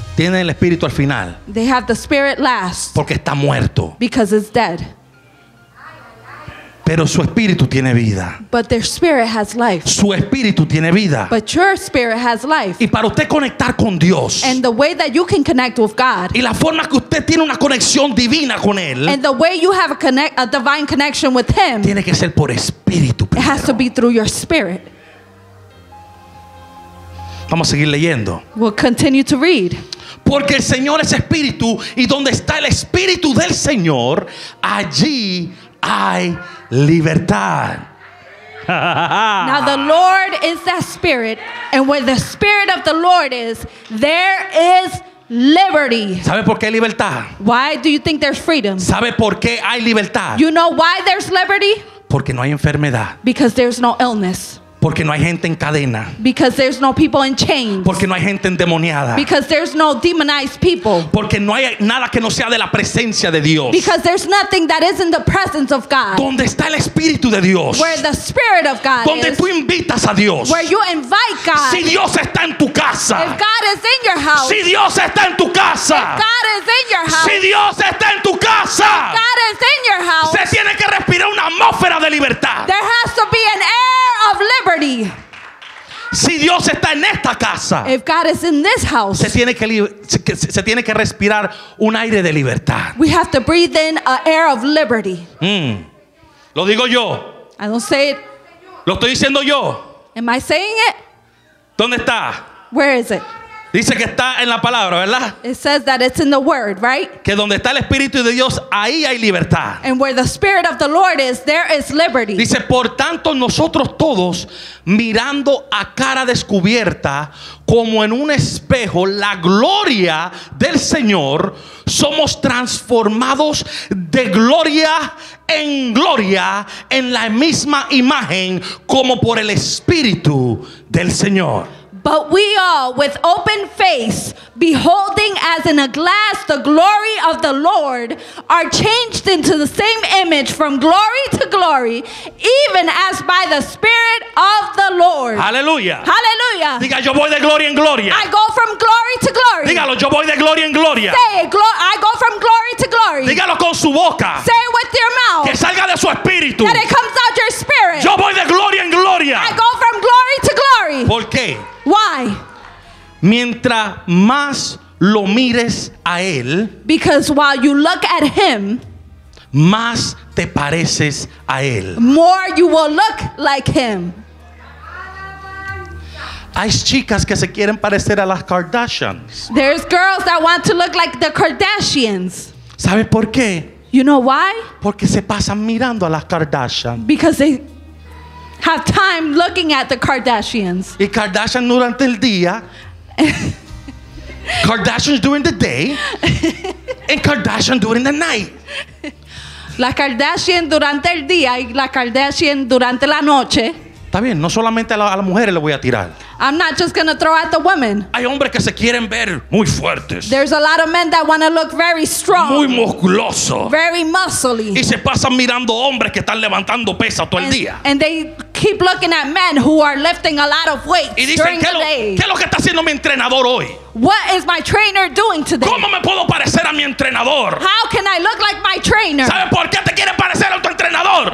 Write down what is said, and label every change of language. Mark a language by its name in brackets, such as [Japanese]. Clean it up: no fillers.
[Spanish] Tienen el espíritu al final. [English] They have the spirit last. [Spanish] Porque está muerto. [English] Because it's dead. [Spanish] Pero su espíritu tiene vida. [English] But their spirit has life. [Spanish] Su espíritu tiene vida. [English] But your spirit has life. [Spanish] Y para usted conectar con Dios. [English] And the way that you can connect with God. [Spanish] Y la forma que usted tiene una conexión divina con él. [English] And the way you have a divine connection with him. [Spanish] Tiene que ser por espíritu primero. [English] It has to be through your spirit. [Spanish] Vamos a seguir leyendo. [English] We'll continue to read. [Spanish] Porque el Señor es espíritu, y donde está el espíritu del Señor, allí hay libertad. [English] Now the Lord is that spirit, and where the spirit of the Lord is, there is liberty. [Spanish] ¿Sabe por qué hay libertad? [English] Why do you think there's freedom? [Spanish] ¿Sabe por qué hay libertad? [English] You know why there's liberty? [Spanish] Porque no hay enfermedad. [English] Because there's no illness. [Spanish] Porque no hay gente en cadena. [English] Because there's no people in chains. [Spanish] Porque no hay gente endemoniada. [English] Because there's no demonized people. [Spanish] Porque no hay nada que no sea de la presencia de Dios. [English] Because there's nothing that isn't the presence of God. [Spanish] Donde está el espíritu de Dios. [English] Where the spirit of God [Spanish] donde [English] is. [Spanish] Donde tú invitas a Dios. [English] Where you invite God. [Spanish] Si Dios está en tu casa. [English] If God is in your house. [Spanish] Si Dios está en tu casa. [English] If God is in your house. [Spanish] Si Dios está en tu casa. [English] If God is in your house. [Spanish] Se tiene que respirar una atmósfera de libertad. [English] There has to be an air. Of liberty. [Spanish] Si Dios está en esta casa, [English] if God is in this house, [Spanish] se tiene que respirar un aire de libertad. [English] We have to breathe in an air of liberty. [Spanish] Lo digo yo. [English] I don't say it. [Spanish] Lo estoy diciendo yo. [English] Am I saying it? [Spanish] ¿Dónde está? [English] Where is it? [Spanish] Dice que está en la palabra, ¿verdad? [English] It says that it's in the word, right? [Spanish] Que donde está el Espíritu de Dios, ahí hay libertad. [English] And where the Spirit of the Lord is, there is liberty. [Spanish] Dice, por tanto, nosotros todos, mirando a cara descubierta, como en un espejo, la gloria del Señor, somos transformados de gloria en gloria, en la misma imagen, como por el Espíritu del Señor. [English] But we all, with open face, beholding as in a glass the glory of the Lord, are changed into the same image from glory to glory, even as by the Spirit of the Lord. Hallelujah. Hallelujah. [Spanish] Diga, yo voy de gloria en gloria. [English] I go from glory to glory. [Spanish] Dígalo, yo voy de gloria en gloria. [English] Say it, I go from glory to glory. [Spanish] Dígalo con su boca. [English] Say it with your mouth. [Spanish] Que salga de su espíritu. [English] That it comes out your spirit. [Spanish] Yo voy de gloria en gloria. [English] I go from glory to glory. [Spanish] ¿Por qué? [English] Why? [Spanish] Mientras más lo mires a él, [English] because while you look at him, [Spanish] más te pareces a él. [English] More you will look like him. [Spanish] Hay chicas que se quieren parecer a las Kardashians. [English] There's girls that want to look like the Kardashians. [Spanish] ¿Sabes por qué? [English] You know why? [Spanish] Porque se pasan mirando a las Kardashians. [English] Because they have time looking at the Kardashians. [Spanish] Y Kardashian durante el día. [English] Kardashians during the day. And Kardashian during the night. [Spanish] La Kardashian durante el día y la Kardashian durante la noche. Está bien, no solamente a las mujeres le voy a tirar. [English] I'm not just gonna throw at the women. [Spanish] Hay hombres que se quieren ver muy fuertes. [English] There's a lot of men that want to look very strong. [Spanish] Muy musculoso. [English] Very muscly. [Spanish] Y se pasan mirando hombres que están levantando pesas todo el día. [English] And they keep looking at men who are lifting a lot of weights. [Spanish] Y dicen, [English] during [Spanish] ¿qué [English] the day. [Spanish] ¿Qué es lo que está haciendo mi entrenador hoy? [English] What is my trainer doing today? [Spanish] ¿Cómo me puedo parecer a mi entrenador? [English] How can I look like my trainer? [Spanish] ¿Sabes por qué te quieres parecer a tu entrenador?